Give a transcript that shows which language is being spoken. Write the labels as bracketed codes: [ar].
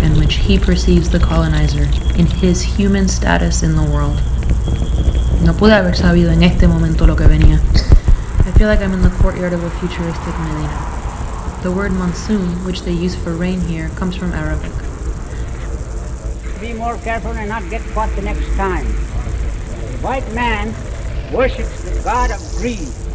[en] He perceives the colonizer in his human status in the world. [es] No pude haber sabido en este momento lo que venía. [en] I feel like I'm in the courtyard of a futuristic medina. The word monsoon, which they use for rain here, comes from Arabic. Be more careful and not get caught the next time. White man worships the god of greed.